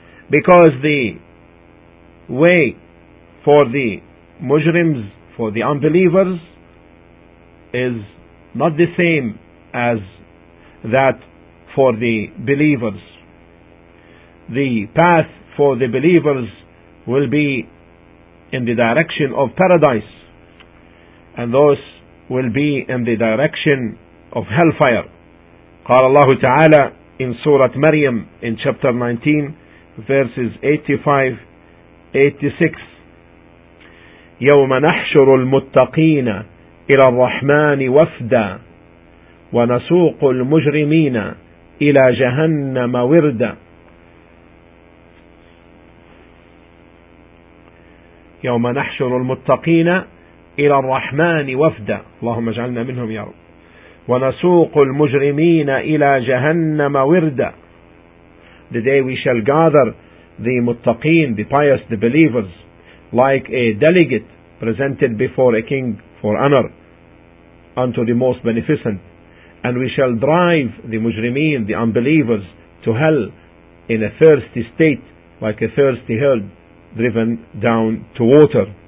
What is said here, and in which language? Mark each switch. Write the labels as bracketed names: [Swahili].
[English] Because the way for the mujrims, for the unbelievers, is not the same as that for the believers. The path for the believers will be in the direction of paradise, and those will be in the direction of hellfire. [Arabic] قال الله تعالى [English] in Surah Maryam in chapter 19 verses 85-86 [Arabic] يوم نحشر المتقين إلى الرحمن وفدا ونسوق المجرمين إلى جهنم وردا. يوم نحشر المتقين إلى الرحمن وفدا اللهم اجعلنا منهم يا رب ونسوق المجرمين إلى جهنم وردا. [English] The day we shall gather the muttaqeen, the pious, the believers, like a delegate presented before a king for honor unto the most beneficent, and we shall drive the mujrimeen, the unbelievers, to hell in a thirsty state, like a thirsty herd driven down to water.